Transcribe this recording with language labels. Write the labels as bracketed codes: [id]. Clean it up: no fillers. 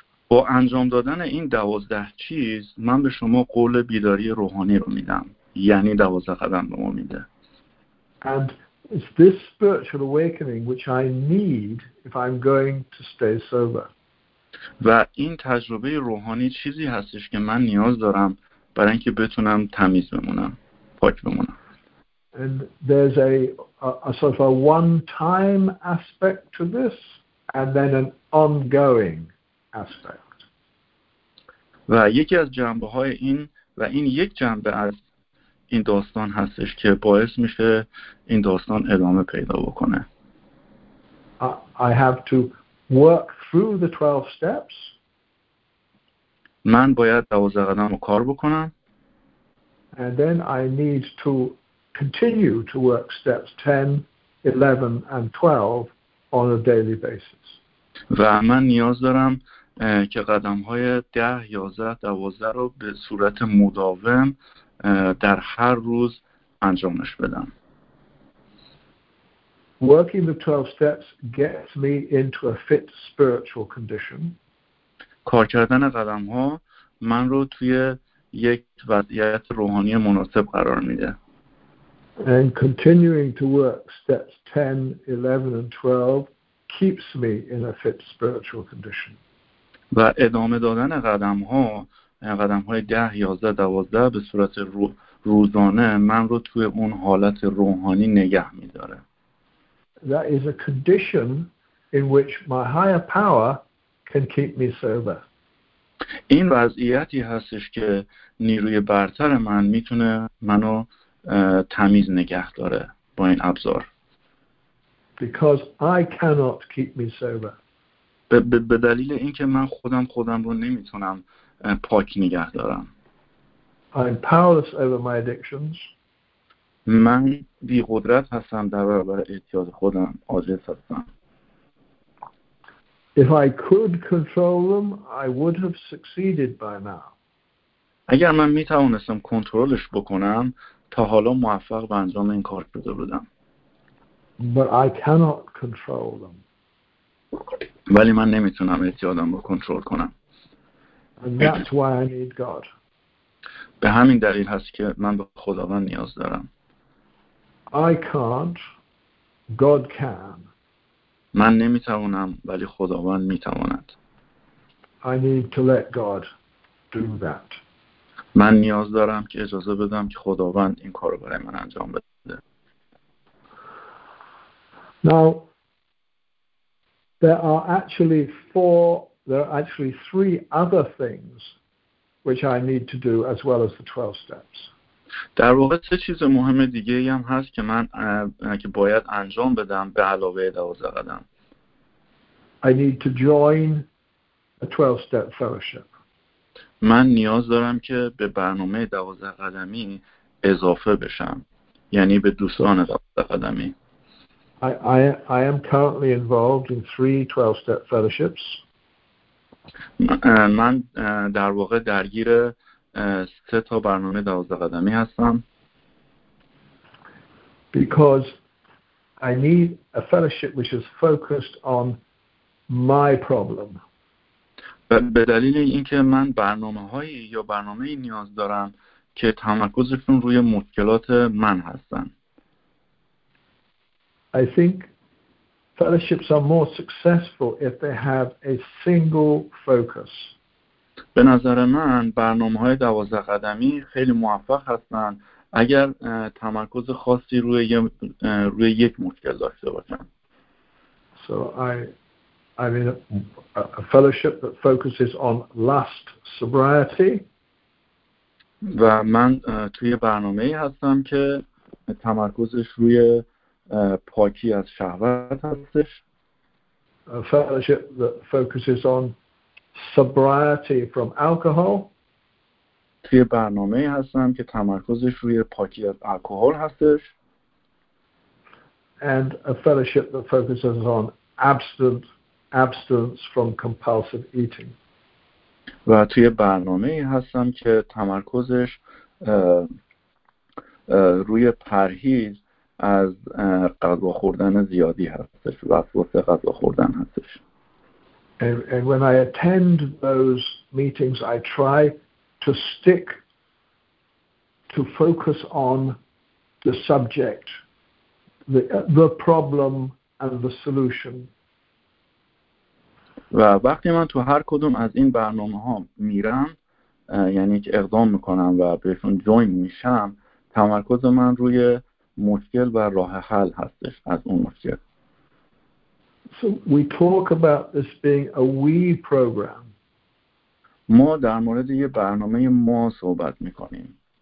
[fa] با انجام دادن این 12 چیز من به شما قول بیداری روحانی رو میدم، یعنی 12 قدم به ما میده. [en] And it's this spiritual awakening which I need if I'm going to stay sober. [fa] و این تجربه روحانی چیزی هستش که من نیاز دارم برای اینکه بتونم تمیز بمونم، پاک بمونم. [en] And there's a sort of a one-time aspect to this and then an ongoing aspect. [fa] و یکی از جنبه‌های این و این یک جنبه از این داستان هستش که باعث میشه این داستان ادامه پیدا بکنه. [en] I have to work through the 12 steps. [fa] من باید 12 قدم رو کار بکنم. [en] And then I need to continue to work steps 10, 11 and 12 on a daily basis. [fa] و من نیاز دارم که قدم‌های 10, 11, 12 رو به صورت مداوم در هر روز انجامش بدم. [en] Working the 12 steps gets me into a fit spiritual condition. [fa] کار کردن قدم‌ها من رو توی یک وضعیت روحانی مناسب قرار میده. [en] And continuing to work steps 10, 11 and 12 keeps me in a fit spiritual condition. [fa] و ادامه دادن قدم‌ها، قدم‌های 10, 11, 12 به صورت روزانه من رو توی اون حالت روحانی نگه می‌داره. [en] That is a condition in which my higher power can keep me sober. [fa] این وضعیتی هستش که نیروی برتر من میتونه منو تمیز نگه داره با این ابزار. [en] Because I cannot keep me sober. [fa] به دلیل اینکه من خودم رو نمیتونم پاک نگه دارم. [en] I'm powerless over my addictions. [fa] من بی قدرت هستم در برابر اعتیاد خودم، عاجز هستم. [en] If I could control them, I would have succeeded by now. [fa] اگر من می توانستم کنترلش بکنم، تا حالا موفق به انجام این کار شده بودم. [en] But I cannot control them. [fa] ولی من نمیتونم اعتیادم رو کنترل کنم. [en] And that's why I need God. [fa] به همین دلیل هست که من به خداوند نیاز دارم. [en] I can't, God can. [fa] من نمیتوانم ولی خداوند میتواند. [en] I need to let God do that. [fa] من نیاز دارم که اجازه بدم که خداوند این کارو برای من انجام بده. [en] Now there are actually three other things which I need to do as well as the 12 steps. [fa] در واقع سه چیز مهم دیگه ای هم هست که من که باید انجام بدم به علاوه 12 قدم. [en] I need to join a 12 step fellowship. [fa] من نیاز دارم که به برنامه 12 قدمی اضافه بشم، یعنی به دوستان 12 قدمی. [en] I am currently involved in 3 12 step fellowships. [fa] من در واقع درگیر 3 تا برنامه 12 قدمی هستم. [en] Because I need a fellowship which is focused on my problem. [fa] به دلیل اینکه من برنامه‌هایی یا برنامه‌ای نیاز دارم که تمرکزشون روی مشکلات من هستن. [en] I think fellowships are more successful if they have a single focus. [fa] به نظر من برنامه‌های 12 قدمی خیلی موفق هستن اگر تمرکز خاصی روی یک مشکل داشته باشن. [en] So I mean a fellowship that focuses on lust sobriety. [fa] و من توی برنامه ای هستم که تمرکزش روی پاکی از شهوت هستش. [en] A fellowship that focuses on sobriety from alcohol. [fa] توی برنامه ای هستم که تمرکزش روی پاکی از الکل هستش. [en] And a fellowship that focuses on abstinence from compulsive eating. [fa] و توی برنامه‌ای هستم که تمرکزش روی پرهیز از غذا خوردن زیادی هستش و وسواس غذا خوردن هستش. [en] And when I attend those meetings, I try to stick to focus on the subject, the problem and the solution. [fa] و وقتی من تو هر کدوم از این برنامه ها میرم یعنی که اقدام میکنم و بهشون جوین میشم تمرکز من روی مشکل و راه حل هستش از اون مشکل. [en] So we talk about this being a we program. [fa] ما در مورد یه برنامه ما صحبت میکنیم.